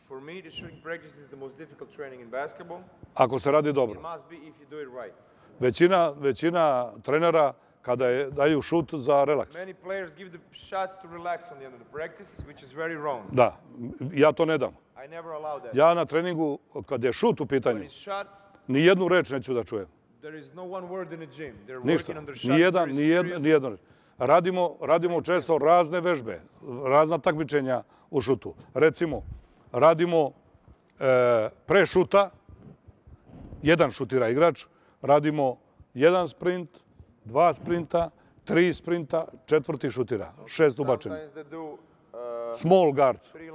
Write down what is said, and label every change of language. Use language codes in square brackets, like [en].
[en] For me, the shooting practice is the most difficult training in basketball. [sr] Ako se radi dobro. [en] It must be if you do it right. [sr] Većina trenera kada daju šut za relaks. [en] Many players give the shots to relax on the end of the practice, which is very wrong. [sr] Da, ja to ne dam. [en] I never allow that. [sr] Ja na treningu, kada je šut u pitanju, ni jednu reč neću da čujem. [en] There is no one word in the gym. [sr] Ništa, ni jedan. Radimo često razne vežbe, razna takmičenja u šutu. Recimo, radimo pre šuta, jedan šutira igrač, radimo jedan sprint, dva sprinta, tri sprinta, četvrti šutira, šest ubačeni. [en] Small guards.